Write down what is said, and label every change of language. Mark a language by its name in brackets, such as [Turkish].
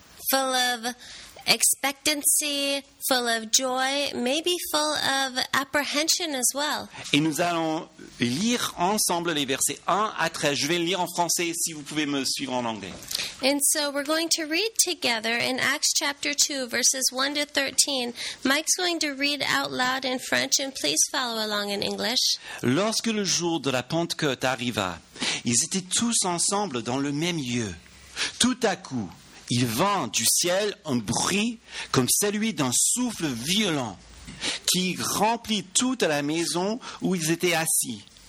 [English] Full of expectancy, full of joy, maybe full of apprehension as well. [French] Et nous allons lire ensemble les versets 1 à 13. Je vais le lire en français si vous pouvez me suivre en anglais. [English] And so we're going to read together in Acts chapter 2, verses 1 to 13. Mike's going to read out loud in French and please follow along in English. [French] Lorsque le jour de la Pentecôte arriva, ils étaient tous ensemble dans le même lieu. Tout à coup, il vint du ciel un bruit comme celui d'un souffle violent qui remplit toute la maison où ils étaient assis.